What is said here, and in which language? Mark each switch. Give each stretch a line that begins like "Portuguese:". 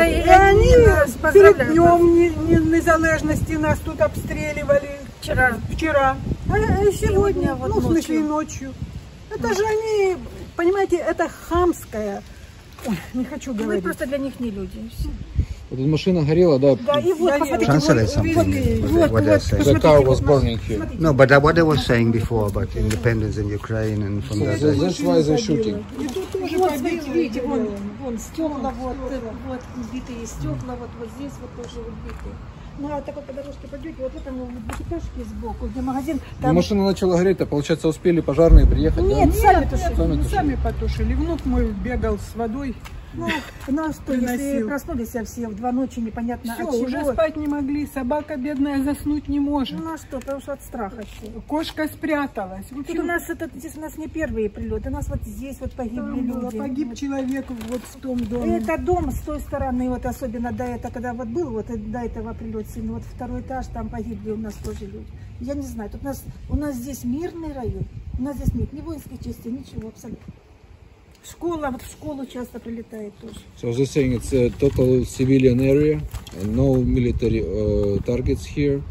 Russian: И они нас перед днем независимости нас тут обстреливали. Вчера. А сегодня, вот, ну, в смысле, ночью. Это же они, понимаете, это хамская. Ой, не хочу говорить. Мы просто для них не люди. Вот эта машина горела, да. Да, и вот, посмотрите.
English: Translate something. The car was burning here. No, but what they were saying before about independence in Ukraine and from that. That's why they're shooting.
Russian: И тут тоже, вот, видите, вон стекла, вот убитые стекла, вот здесь вот тоже убитые. Ну, а такой по дорожке пойдете, вот это вот двухэтажки сбоку, где магазин. Там... Машина начала гореть, а получается успели пожарные приехать? Нет, да? сами потушили. Внук мой бегал с водой. Ну, нас то, если проснулись все в 2 ночи, непонятно все, от чего. Уже спать не могли, собака бедная заснуть не может. У нас что, потому что от страха все. Кошка спряталась. Вот тут у нас этот, здесь у нас не первый прилет, у нас вот здесь вот погибли там люди. Было, погиб человек вот в том доме. Это дом с той стороны, вот особенно до этого, когда вот был, вот до этого прилет сын, вот второй этаж, там погибли у нас тоже люди. Я не знаю, тут у нас здесь мирный район, у нас здесь нет ни воинской части, ничего абсолютно. Школа, вот в школу часто прилетает тоже.
English: So they're saying it's a total civilian area and no military targets here.